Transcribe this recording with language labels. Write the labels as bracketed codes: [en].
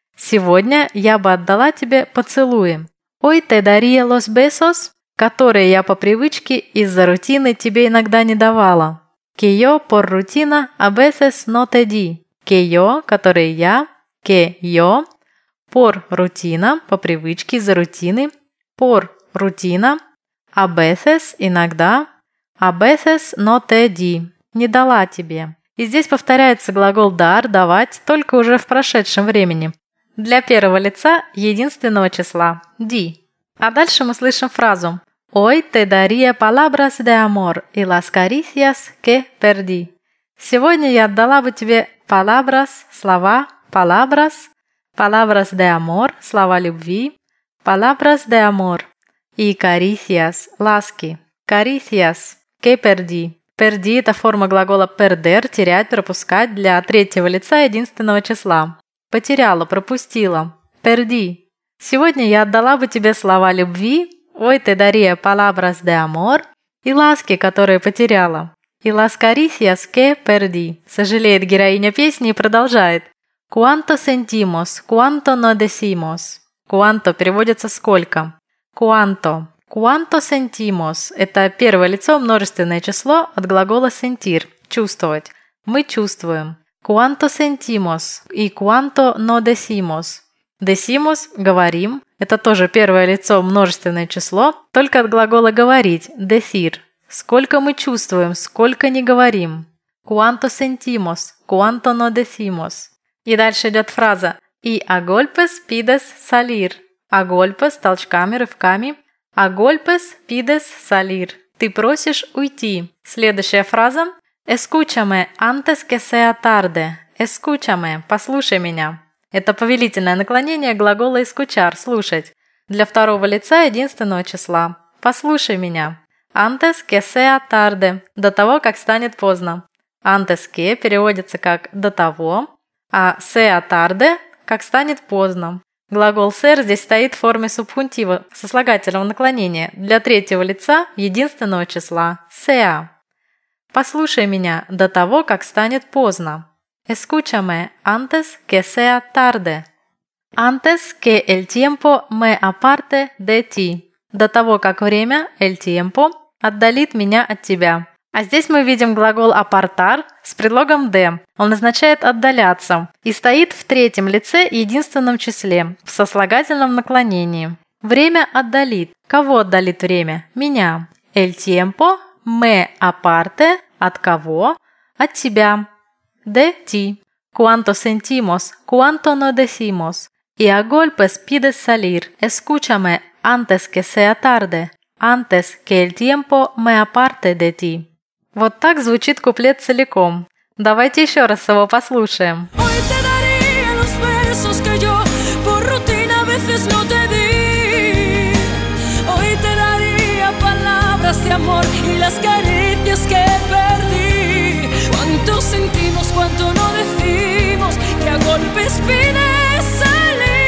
[ru] Сегодня я бы отдала тебе поцелуи. [es] Hoy te daría los besos, [ru] которые я по привычке из-за рутины тебе иногда не давала. [es] Que yo por rutina a veces no te di. Que yo – [ru] который я. [es] Que yo – por rutina – [ru] по привычке из-за рутины. [es] Por rutina a veces – [ru] иногда. [es] A veces no te di – [ru] не дала тебе. И здесь повторяется глагол dar – давать, только уже в прошедшем времени. Для первого лица единственного числа – di. А дальше мы слышим фразу [es] «Hoy te daría palabras de amor y las caricias que perdí». [ru] Сегодня я отдала бы тебе palabras – слова, palabras, [es] palabras de amor [ru] – слова любви, palabras de amor и caricias – ласки, caricias. [es] Que perdí. [ru] Perdí – это форма глагола perder – терять, пропускать для третьего лица единственного числа. Потеряла, пропустила. Perdí. Сегодня я отдала бы тебе слова любви. [es] Hoy te daría palabras de amor. [ru] И ласки, которые потеряла. [es] Y las caricias que perdí. [ru] Сожалеет героиня песни и продолжает. [es] Cuánto sentimos, cuánto no decimos. [ru] Cuánto переводится сколько. [es] Cuánto. [ru] Cuánto sentimos – это первое лицо, множественное число от глагола sentir – чувствовать. Мы чувствуем. [es] Cuánto sentimos [ru] и [es] cuánto no decimos. [ru] Decimos – говорим. Это тоже первое лицо, множественное число, только от глагола говорить – decir. Сколько мы чувствуем, сколько не говорим. [es] Cuánto sentimos, cuánto no decimos. [ru] И дальше идет фраза. [es] Y a golpes pides salir. A golpes [ru] – толчками, рывками. [es] A golpes pides salir. [ru] Ты просишь уйти. Следующая фраза. [es] Escúchame antes que sea tarde. Escúchame. [ru] Послушай меня. Это повелительное наклонение глагола escuchar – слушать. Для второго лица единственного числа. Послушай меня. [es] Antes que sea tarde. [ru] До того, как станет поздно. [es] Antes que [ru] переводится как «до того», а [es] sea tarde [ru] – «как станет поздно». Глагол «ser» здесь стоит в форме субхунтива со слагательного наклонения для третьего лица единственного числа «sea». Послушай меня до того, как станет поздно. [es] Escúchame antes que sea tarde. Antes que el tiempo me aparte de ti. [ru] До того, как время, [es] el tiempo, [ru] отдалит меня от тебя. А здесь мы видим глагол apartar с предлогом de. Он означает отдаляться и стоит в третьем лице единственном числе в сослагательном наклонении. Время отдалит. Кого отдалит время? Меня. [es] El tiempo me aparte [ru] от кого? От тебя. [es] De ti. Cuánto sentimos, cuánto no decimos. Y a golpes pides salir. Escúchame antes que sea tarde. Antes que el tiempo me aparte de ti. [ru] Вот так звучит куплет целиком. Давайте еще раз его послушаем. [es] Hoy te daría los besos que yo por rutina a veces no te di. Hoy te daría palabras de amor y las caricias que perdí. Cuánto sentimos, cuánto no decimos, que a golpes pide salir.